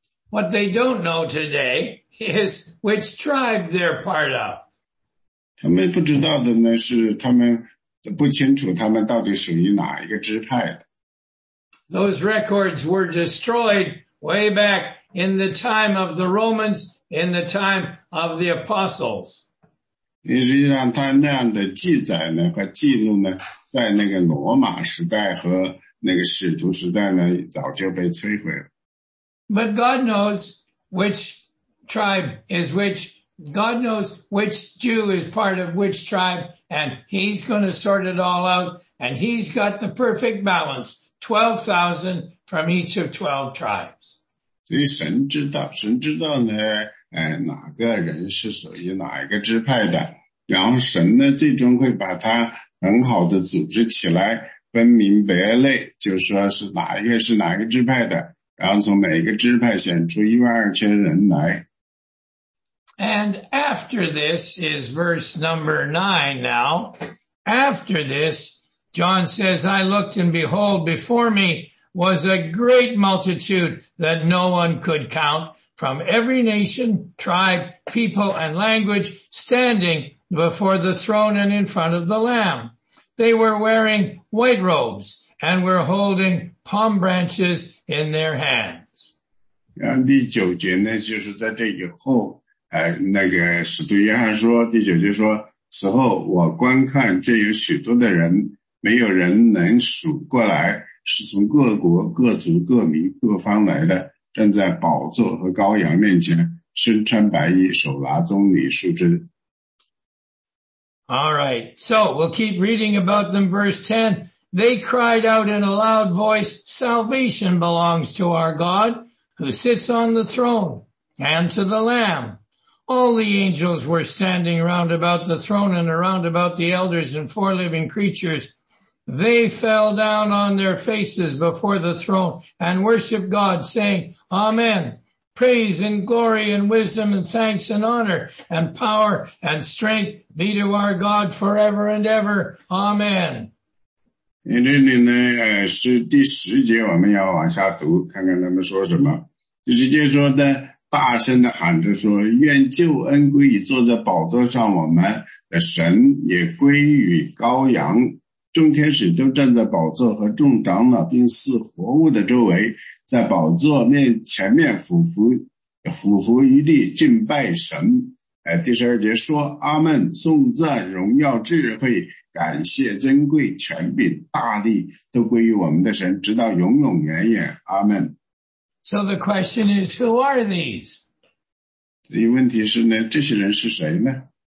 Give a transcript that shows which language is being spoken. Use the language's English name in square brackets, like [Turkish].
[English] What they don't know today is which tribe they're part of. [Chinese] 他们不知道的呢，是他们不清楚他们到底属于哪一个支派的。 [English] Those records were destroyed way back in the time of the Romans, in the time of the apostles. [Chinese] 实际上他那样的记载呢和记录呢，在那个罗马时代和那个使徒时代呢，早就被摧毁了。 [English] But God knows which tribe is which. God knows which Jew is part of which tribe, and He's going to sort it all out. And He's got the perfect balance: 12,000 from each of 12 tribes. [Chinese] 所以神知道，神知道呢，哪个人是属于哪一个支派的，然后神呢，最终会把他很好的组织起来，分明别类，就说是哪一个是哪一个支派的，然后从每一个支派选出12,000人来。 [English] And after this is verse number 9 now. After this, John says, I looked and behold, before me was a great multitude that no one could count from every nation, tribe, people, and language standing before the throne and in front of the Lamb. They were wearing white robes and were holding palm branches in their hands. [Chinese] 然后第九节呢，就是在这以后，那个使徒约翰说，第九节说，此后我观看，这有许多的人，没有人能数过来，是从各国、各族、各民、各方来的，站在宝座和羔羊面前，身穿白衣，手拿棕榈树枝。 [English] All right, so we'll keep reading about them. Verse 10, they cried out in a loud voice, salvation belongs to our God who sits on the throne and to the Lamb. All the angels were standing round about the throne and around about the elders and four living creatures. They fell down on their faces before the throne and worshiped God, saying, Amen. Praise and glory and wisdom and thanks and honor and power and strength be to our God forever and ever. Amen. [Chinese] 这里呢是第十节，我们要往下读，看看他们说什么。第十节说呢，大声地喊着说，愿救恩归于坐在宝座上我们的神，也归于羔羊。众天使都站在宝座和众长老并四活物的周围，在宝座面前面俯伏于地敬拜神。第十二节说，阿们，颂赞荣耀智慧感谢尊贵权柄大力都归于我们的神，直到永永远远，阿们。 [English] So the question is, who are these? [Chinese] 所以问题是呢，这些人是谁呢？